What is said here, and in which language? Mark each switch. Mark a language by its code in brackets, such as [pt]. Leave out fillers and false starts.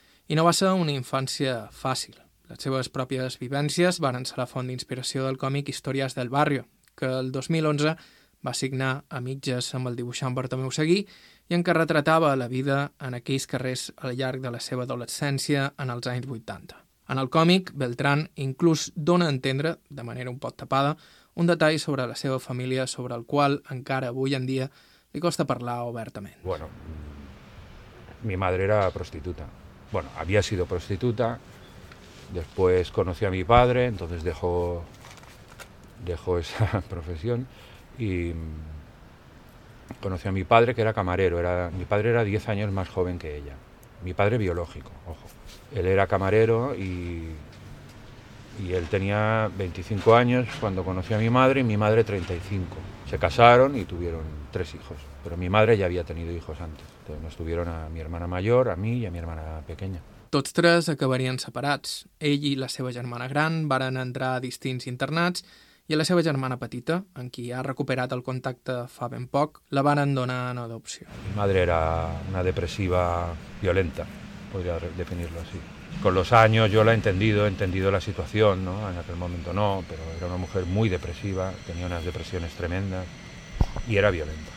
[ca] I no va ser una infància fàcil. Les seves pròpies vivències van ser la font d'inspiració del còmic Històries del Barrio, que el 2011 va signar a mitges amb el dibuixant Bartomeu Seguí i en què retratava la vida en aquells carrers al llarg de la seva adolescència en els anys 80. En el còmic, Beltrán inclús dona a entendre, de manera un poc tapada, un detall sobre la seva família sobre el qual encara avui en dia li costa parlar obertament. [es] Bueno, mi madre era prostituta. Bueno, había sido prostituta, después conocí a mi padre, entonces dejó esa profesión y conocí a mi padre que era camarero. Mi padre era 10 años más joven que ella. Mi padre biológico, ojo. Él era camarero y él tenía 25 años cuando conoció a mi madre y mi madre 35. Se casaron y tuvieron 3 hijos, pero mi madre ya había tenido hijos antes. Entonces nos tuvieron a mi hermana mayor, a mí y a mi hermana pequeña. [ca] Tots tres acabarien separats. Ell i la seva germana gran varen entrar a distints internats i a la seva germana petita, en qui ha recuperat el contacte fa ben poc, la varen donar en adopció. [es] Mi madre era una depressiva violenta, [ca] podria definir-lo [es] así. Con los años yo la he entendido la situación, ¿no? En aquel momento no, pero era una mujer muy depresiva, tenía unas depresiones tremendas y era violenta.